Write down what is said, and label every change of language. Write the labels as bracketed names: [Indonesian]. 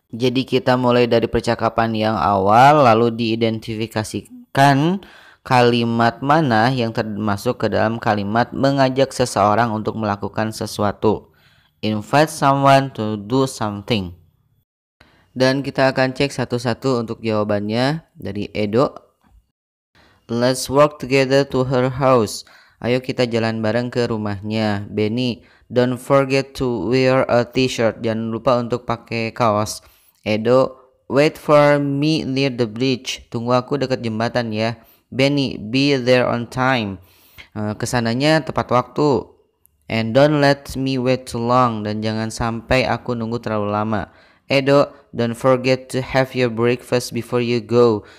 [Indonesian] Jadi kita mulai dari percakapan yang awal, lalu diidentifikasikan kalimat mana yang termasuk ke dalam kalimat mengajak seseorang untuk melakukan sesuatu. [English] Invite someone to do something. [Indonesian] Dan kita akan cek satu-satu untuk jawabannya dari Edo. [English] Let's walk together to her house. [Indonesian] Ayo kita jalan bareng ke rumahnya. [English] Benny, don't forget to wear a t-shirt. [Indonesian] Jangan lupa untuk pakai kaos. [English] Edo, wait for me near the bridge. [Indonesian] Tunggu aku dekat jembatan ya. Benny, [English] be there on time. [Indonesian] Kesananya tepat waktu. [English] And don't let me wait too long. [Indonesian] Dan jangan sampai aku nunggu terlalu lama. [English] Edo, don't forget to have your breakfast before you go.